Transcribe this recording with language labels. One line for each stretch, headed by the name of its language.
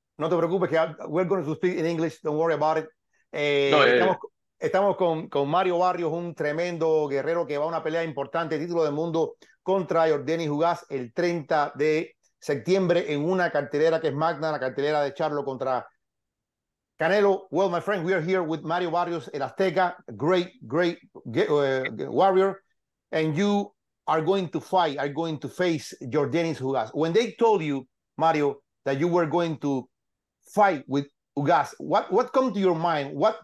Spanish: No te preocupes, que
English: we're going to speak in English, don't worry about it.
Spanish: Estamos con Mario Barrios, un tremendo guerrero que va a una pelea importante, título del mundo, contra Jordani Ugas el 30 de septiembre en una cartelera que es magna, la cartelera de Charlo contra Canelo.
English: Well, my friend, we are here with Mario Barrios, el Azteca, great warrior, and you are going to fight, are going to face Jordani Ugas. When they told you, Mario, that you were going to fight with Ugas, what come to your mind?